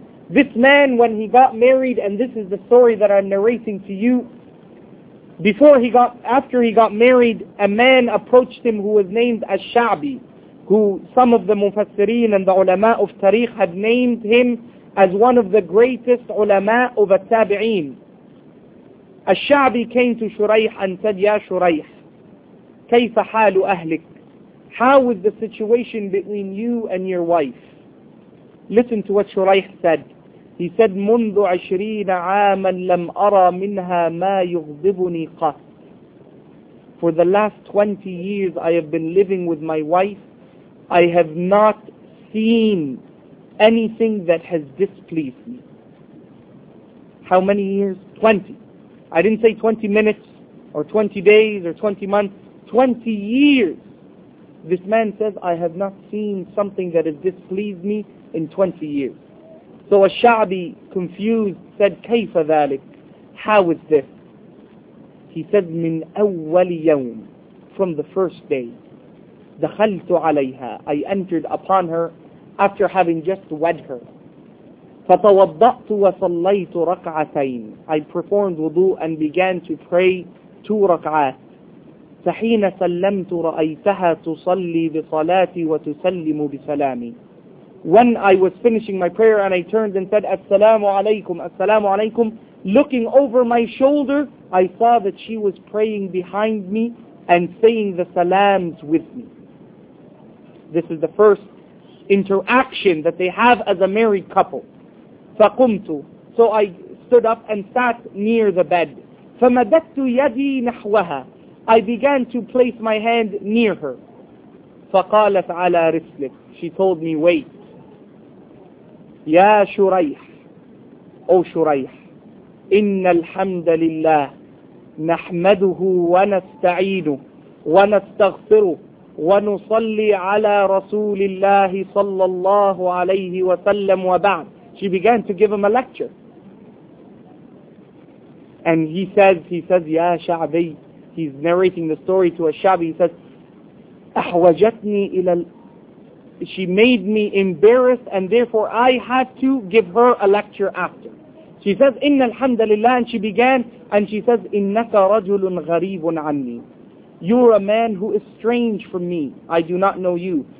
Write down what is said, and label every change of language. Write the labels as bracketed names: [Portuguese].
[English] This man, when he got married, and this is the story that I'm narrating to you, after he got married, a man approached him who was named Al-Sha'bi, who some of the Mufassireen and the ulama of Tariq had named him as one of the greatest ulama of the Tabi'een. Al-Sha'bi came to Shuraih and said, "Ya Shuraih, [Arabic] كيف حال أهلك? [English] How is the situation between you and your wife?" Listen to what Shuraih said. He said, [Arabic] منذ [English] 20 years [Arabic] لم أرى منها ما يغضبني قط. [English] For the last 20 years I have been living with my wife, I have not seen anything that has displeased me. How many years? 20. I didn't say 20 minutes or 20 days or 20 months. 20 years. This man says, I have not seen something that has displeased me in 20 years. So Al-Sha'bi, confused, said, [Arabic] كيف ذلك? [English] How is this? He said, [Arabic] من أول يوم, [English] from the first day, [Arabic] دخلت عليها, [English] I entered upon her after having just wed her. [Arabic] فتوضأت وصليت ركعتين, [English] I performed wudu and began to pray two ركعات. [Arabic] فحين سلمت رأيتها تصلي بصلاتي وتسلم بسلامي. [English] When I was finishing my prayer and I turned and said, Assalamu alaikum, Assalamu alaikum, looking over my shoulder, I saw that she was praying behind me and saying the salams with me. This is the first interaction that they have as a married couple. [Arabic] فَقُمْتُ [English] So I stood up and sat near the bed. [Arabic] فَمَدَتُ يَدِي نَحْوَهَا [English] I began to place my hand near her. [Arabic] فَقَالَتْ عَلَى رِسْلِكَ [English] She told me, wait. [Arabic] يا شريح أو شريح إن الحمد لله نحمده ونستعينه ونستغفره ونصلي على رسول الله صلى الله عليه وسلم وبعد [English] She began to give him a lecture. And he says, [Arabic] يا شعبي [English] He's narrating the story to Al-Sha'bi. He says, [Arabic] أحوجتني إلى [English] She made me embarrassed and therefore I had to give her a lecture after. She says, [Arabic] إِنَّ الْحَمْدَ لِلَّهِ [English] And she began and she says, [Arabic] إِنَّكَ رَجُلٌ غَرِيبٌ عَنِّي [English] You're a man who is strange from me. I do not know you.